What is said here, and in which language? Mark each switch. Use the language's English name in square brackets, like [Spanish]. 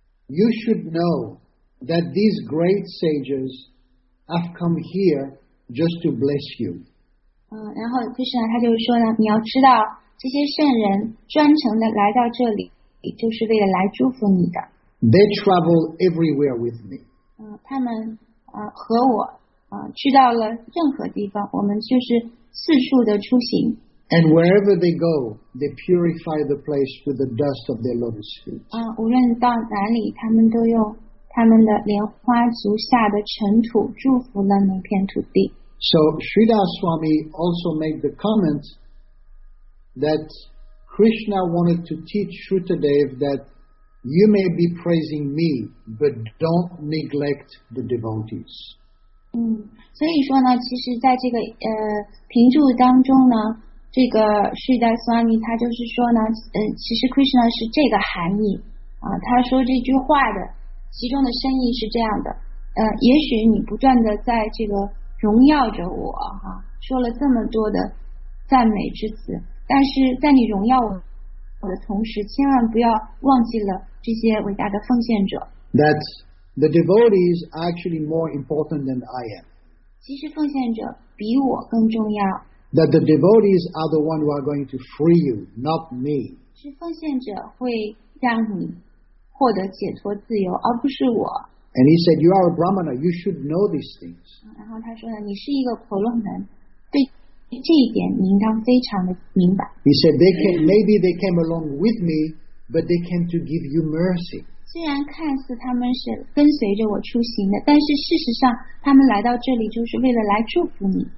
[English] You should know that these great sages have come here just to bless you. [Chinese] 然后 Krishna 他就说呢，你要知道这些圣人专程的来到这里，就是为了来祝福你的。 [English] They travel everywhere with me. [Chinese] 他们和我去到了任何地方，我们就是四处的出行。 [English] And wherever they go, they purify the place with the dust of their lotus feet. [Chinese] 无论到哪里，他们都用他们的莲花足下的尘土祝福了那片土地。 [English] So Sridhar Swami also made the comment that Krishna wanted to teach Shrutadev that You may be praising me, but don't neglect the devotees. [Chinese] 所以说呢，其实在这个评注当中呢，这个释迦牟尼他就是说呢，其实 Krishna 是这个含义啊，他说这句话的其中的深意是这样的，也许你不断的在这个荣耀着我哈、啊，说了这么多的赞美之词，但是在你荣耀我的同时，千万不要忘记了这些伟大的奉献者。 [English] That's the devotees actually more important than I am. [Chinese] 其实奉献者比我更重要。 [English] That the devotees are the ones who are going to free you, not me. [Chinese] 是奉献者会让你获得解脱自由，而不是我。 [English] And he said, "You are a brahmana. You should know these things." [Chinese] 然后他说呢，你是一个婆罗门，对这一点你应当非常的明白。 [English] He said, "They came, maybe they came along with me, but they came to give you mercy." [Chinese] 虽然看似他们是跟随着我出行的，但是事实上他们来到这里就是为了来祝福你。